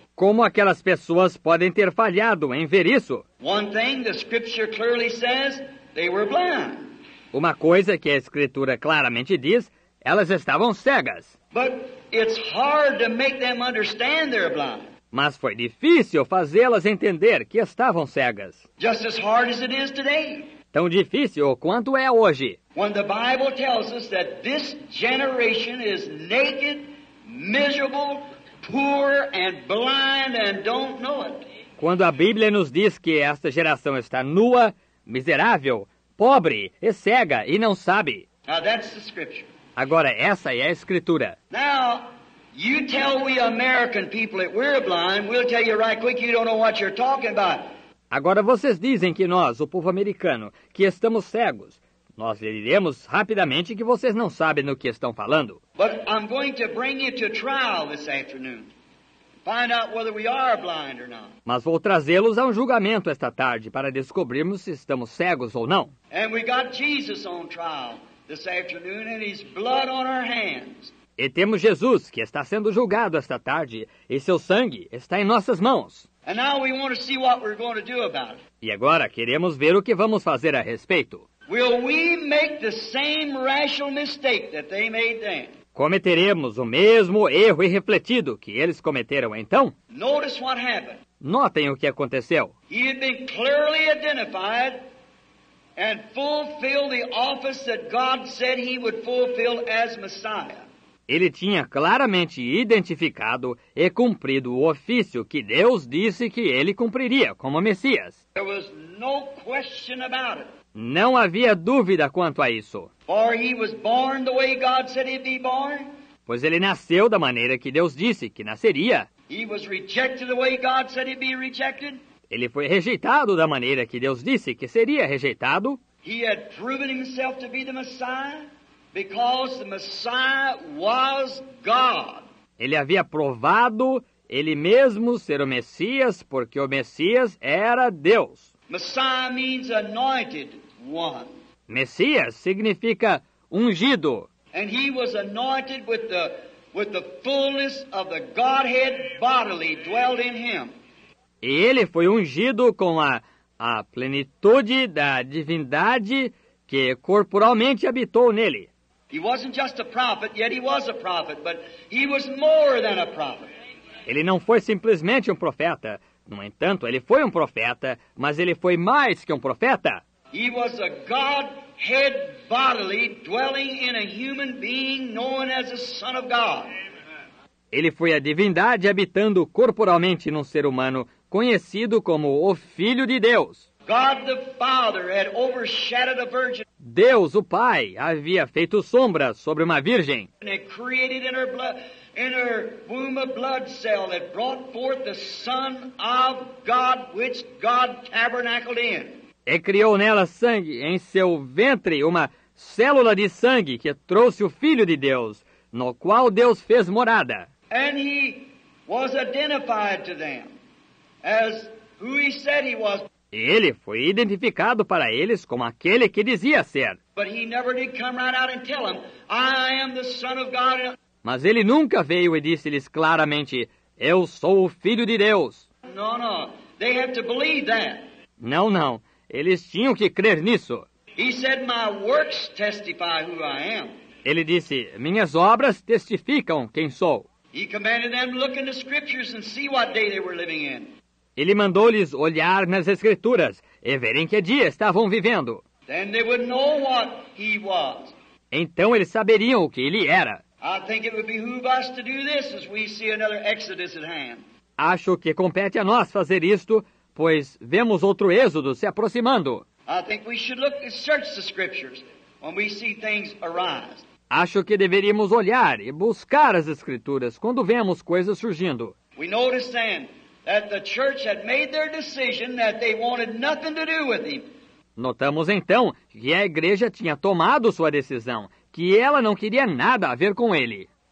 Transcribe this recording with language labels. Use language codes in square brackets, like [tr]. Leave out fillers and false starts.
[pt] Como aquelas pessoas podem ter falhado em ver isso? [en] One thing the scripture clearly says, they were blind. [pt] Uma coisa que a escritura claramente diz, elas estavam cegas. [en] But it's hard to make them understand they're blind. [pt] Mas foi difícil fazê-las entender que estavam cegas. [en] Just as hard as it is today. [pt] Tão difícil quanto é hoje. [en] When the Bible tells us that this generation is naked, miserable, poor and blind and don't know it. [pt] Quando a Bíblia nos diz que esta geração está nua, miserável, pobre e cega e não sabe. [en] Now that's the scripture. [pt] Agora essa é a escritura. [en] Now, you tell we American people that we're blind, we'll tell you right quick you don't know what you're talking about. [pt] Agora vocês dizem que nós, o povo americano, que estamos cegos. Nós lhe diremos rapidamente que vocês não sabem no que estão falando. [en] But I'm going to bring you to trial this afternoon. Find out whether we are blind or not. [pt] Mas vou trazê-los a um julgamento esta tarde para descobrirmos se estamos cegos ou não. [en] And we got Jesus on trial this afternoon and his blood on our hands. [pt] E temos Jesus que está sendo julgado esta tarde e seu sangue está em nossas mãos. [en] And now we want to see what we're going to do about it. [pt] E agora queremos ver o que vamos fazer a respeito. [en] Will we make the same rational mistake that they made then? [pt] Cometeremos o mesmo erro irrefletido que eles cometeram então? [en] Notice what happened. [pt] Notem o que aconteceu. [en] He had been clearly identified and fulfilled the office that God said he would fulfill as Messiah. [pt] Ele tinha claramente identificado e cumprido o ofício que Deus disse que ele cumpriria como Messias. [en] There was no question about it. [pt] Não havia dúvida quanto a isso. [en] For he was born the way God said he'd be born. [pt] Pois ele nasceu da maneira que Deus disse que nasceria. [en] He was rejected the way God said he'd be rejected. [pt] Ele foi rejeitado da maneira que Deus disse que seria rejeitado. [en] He had proven himself to be the Messiah because the Messiah was God. [pt] Ele havia provado ele mesmo ser o Messias porque o Messias era Deus. [en] Messiah means anointed one. [pt] Messias significa ungido. [en] And he was anointed with the fullness of the Godhead bodily dwelt in him. [pt] E ele foi ungido com a plenitude da divindade que corporalmente habitou nele. [en] He wasn't just a prophet, yet he was a prophet, but he was more than a prophet. [pt] Ele não foi simplesmente um profeta. No entanto, ele foi um profeta, mas ele foi mais que um profeta. [en] He was a Godhead bodily dwelling in a human being known as the Son of God. [pt] Ele foi a divindade habitando corporalmente num ser humano conhecido como o Filho de Deus. [en] God the Father had overshadowed a virgin. [pt] Deus, o Pai, havia feito sombra sobre uma virgem. [en] And it created in her blood. In her womb a blood cell that brought forth the Son of God, which God tabernacled in. [pt] E criou nela sangue, em seu ventre, uma célula de sangue que trouxe o Filho de Deus, no qual Deus fez morada. [en] And he was identified to them as who he said he was. [pt] E ele foi identificado para eles como aquele que dizia ser. [en] But he never did come right out and tell them, I am the Son of God. [pt] Mas ele nunca veio e disse-lhes claramente, eu sou o Filho de Deus. [en] No, no. They have to believe that. [pt] Não, não. Eles tinham que crer nisso. [en] He said, my works testify who I am. [pt] Ele disse, minhas obras testificam quem sou. [en] He commanded them to look in the scriptures and see what day they were living in. [pt] Ele mandou-lhes olhar nas escrituras e verem que dia estavam vivendo. [en] Then they would know what he was. [pt] Então eles saberiam o que ele era. [en] I think it would behoove us to do this as we see another exodus at hand. [pt] Acho que compete a nós fazer isto, pois vemos outro êxodo se aproximando. [en] I think we should look and search the scriptures when we see things arise. [pt] Acho que deveríamos olhar e buscar as escrituras quando vemos coisas surgindo. [en] We noticed then that the church had made their decision that they wanted nothing to do with him. [pt] Notamos então que a igreja tinha tomado sua decisão, que ela não queria nada a ver com ele.